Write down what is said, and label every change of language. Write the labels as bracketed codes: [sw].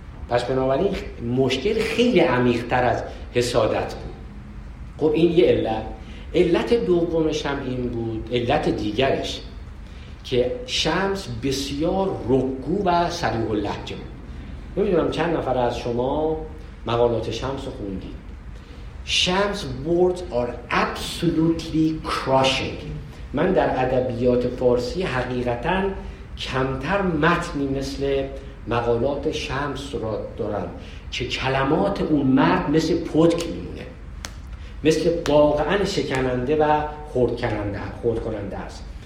[fa] پس بنابراین مشکل خیلی عمیق‌تر از حسادت بود. خب این یه علت. علت دومش هم این بود، علت دیگرش، که شمس بسیار رکو و سریع اللحجه بود. نمیدونم چند نفر از شما مقالات شمس رو خوندید. [en] شمس words are absolutely crushing. [fa] من در ادبیات فارسی حقیقتاً کمتر متنی مثل مقالات شمس را دارم که کلمات اون مرد مثل پتک میمونه، مثل واقعاً شکننده و خورد کننده است.